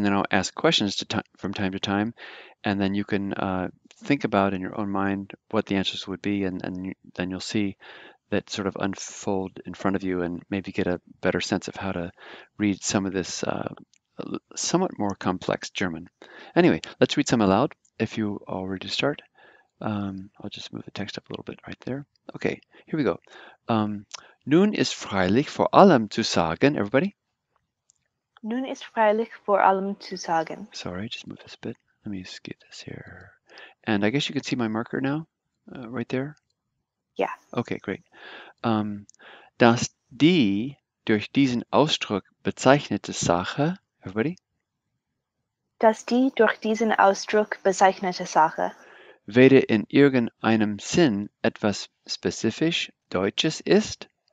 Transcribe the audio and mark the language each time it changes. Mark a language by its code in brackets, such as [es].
[en] And then I'll ask questions from time to time, and then you can think about in your own mind what the answers would be, and then you'll see that sort of unfold in front of you, and maybe get a better sense of how to read some of this somewhat more complex German. Anyway, let's read some aloud if you are ready to start. I'll just move the text up a little bit right there. Okay, here we go. [de] Nun ist freilich vor allem zu sagen, [en] everybody. [de] Nun ist freilich vor allem zu sagen. [en] Sorry, just move this a bit. Let me skip this here. And I guess you can see my marker now, right there. Yeah. Okay, great. [de] Dass die durch diesen Ausdruck bezeichnete Sache, [en] everybody. [de] Dass die durch diesen Ausdruck bezeichnete Sache. Weder in irgendeinem Sinn etwas spezifisch Deutsches ist.